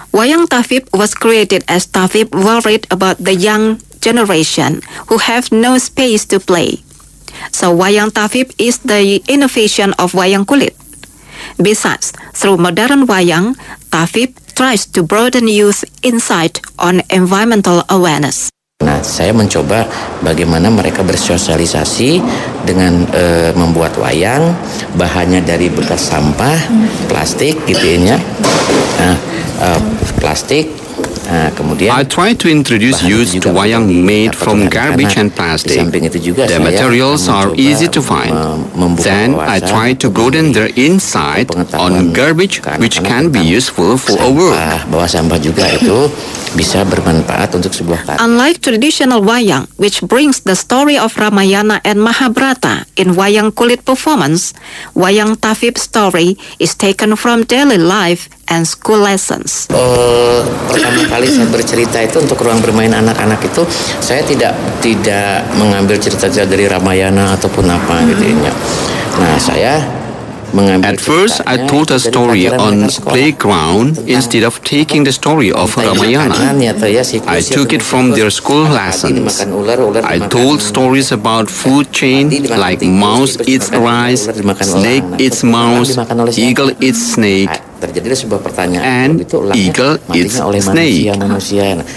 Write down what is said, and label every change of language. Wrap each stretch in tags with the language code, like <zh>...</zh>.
<en>Wayang Tafib was created as Tafib worried about the young generation who have no space to play. So wayang Tafib is the innovation of wayang kulit. Besides, through modern wayang, Tafib tries to broaden youth insight on environmental awareness.</en> <id>Nah, saya mencoba bagaimana mereka bersosialisasi dengan membuat wayang, bahannya dari bekas sampah, plastik gitu ya. Plastik. Kemudian</id> <en>I try to introduce youth to wayang made from garbage and plastic. The materials are easy to find. Then I try to broaden their insight on garbage which can be useful for a work.</en> <id>Bahwa sampah juga itu bisa bermanfaat untuk sebuah karya.</id> <en>Unlike traditional wayang, which brings the story of Ramayana and Mahabharata in wayang kulit performance, wayang Tafib story is taken from daily life and school lessons.</en> <id>Pertama kali saya bercerita itu untuk ruang bermain anak-anak itu, saya tidak mengambil cerita-cerita dari Ramayana ataupun apa gitu ya. Nah, saya</id> <en>at first, I told a story on playground instead of taking the story of Ramayana. I took it from their school lessons. I told stories about food chain like mouse eats rice, snake eats mouse, eagle eats snake, and eagle eats snake.</en>